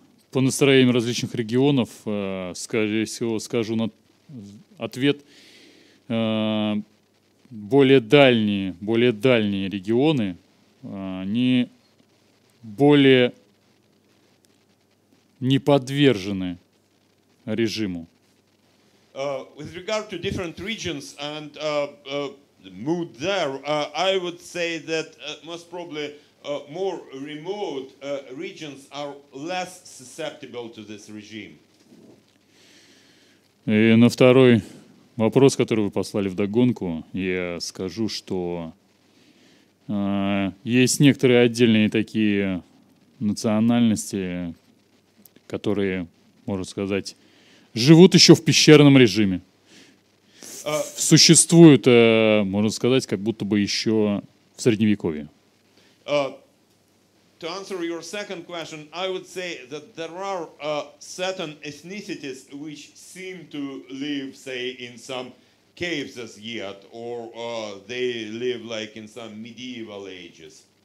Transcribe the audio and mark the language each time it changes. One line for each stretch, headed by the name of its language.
Russian: По настроениям различных регионов, скорее всего, скажу на ответ. Более дальние регионы, они более не подвержены режиму.
English: With regard to different regions and the mood there, I would say that most probably more remote regions are less susceptible to this regime.
Russian: И на второй вопрос, который вы послали вдогонку, я скажу, что есть некоторые отдельные такие национальности, которые, можно сказать, живут еще в пещерном режиме. Существуют, можно сказать, как будто бы еще в Средневековье.
English: To answer your second question, I would say that there are certain ethnicities which seem to live, say, in some caves as yet, or they live like in some medieval ages.